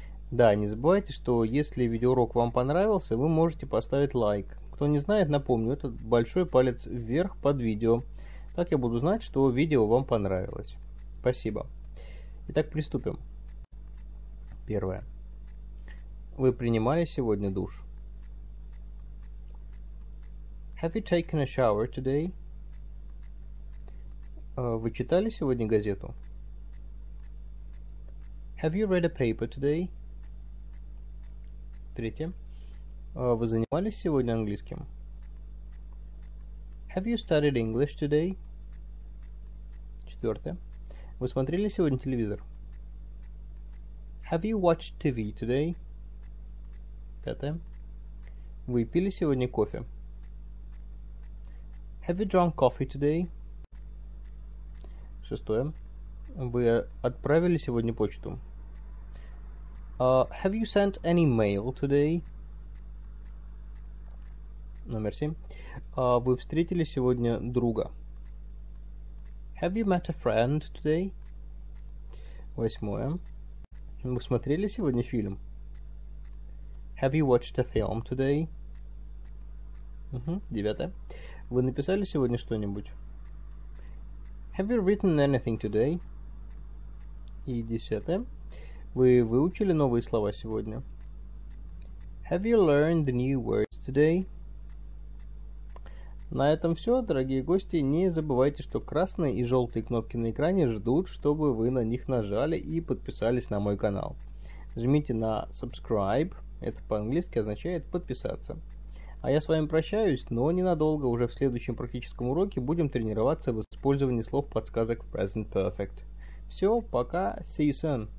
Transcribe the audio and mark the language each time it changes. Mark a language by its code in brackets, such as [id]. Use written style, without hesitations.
[ru] Да, не забывайте, что если видеоурок вам понравился, вы можете поставить лайк. Кто не знает, напомню, это большой палец вверх под видео. Так я буду знать, что видео вам понравилось. Спасибо. Итак, приступим. Первое. Вы принимали сегодня душ? [en] Have you taken a shower today? [ru] Вы читали сегодня газету? [en] Have you read a paper today? [ru] Третье. Вы занимались сегодня английским? [en] Have you studied English today? [ru] Четвертое. Вы смотрели сегодня телевизор? [en] Have you watched TV today? [ru] Пятое. Вы пили сегодня кофе? [en] Have you drunk coffee today? [ru] Шестое. Вы отправили сегодня почту? [en] Have you sent any mail today? [ru] Номер семь. Вы встретили сегодня друга? [en] Have you met a friend today? [ru] Восьмое. Вы смотрели сегодня фильм? [en] Have you watched a film today? [ru] Девятое. Вы написали сегодня что-нибудь? [en] Have you written anything today? [ru] И десятое. Вы выучили новые слова сегодня? [en] Have you learned new words today? [ru] На этом все, дорогие гости. Не забывайте, что красные и желтые кнопки на экране ждут, чтобы вы на них нажали и подписались на мой канал. Жмите на subscribe. Это по-английски означает подписаться. А я с вами прощаюсь, но ненадолго. Уже в следующем практическом уроке будем тренироваться в использовании слов-подсказок Present Perfect. Все, пока. See you soon.